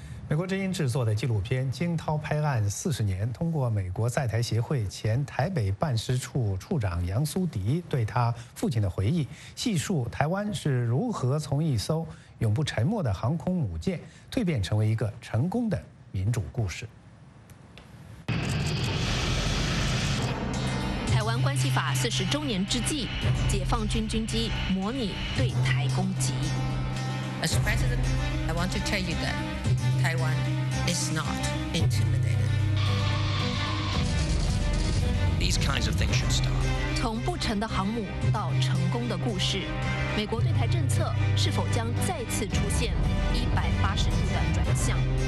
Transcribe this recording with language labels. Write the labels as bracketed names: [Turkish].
[Chinese] 美国之音制作的纪录片《惊涛拍岸40年》，通过美国在台协会前台北办事处处长杨苏迪对他父亲的回忆，细述台湾是如何从一艘永不沉没的航空母舰蜕变成为一个成功的民主故事。台湾关系法40周年之际，解放军军机模拟对台攻击。 [English] As president, I want to tell you that Taiwan is not intimidated. These kinds of things should stop. [Chinese] 从不成的航母到成功的故事，美国对台政策是否将再次出现180度的转向？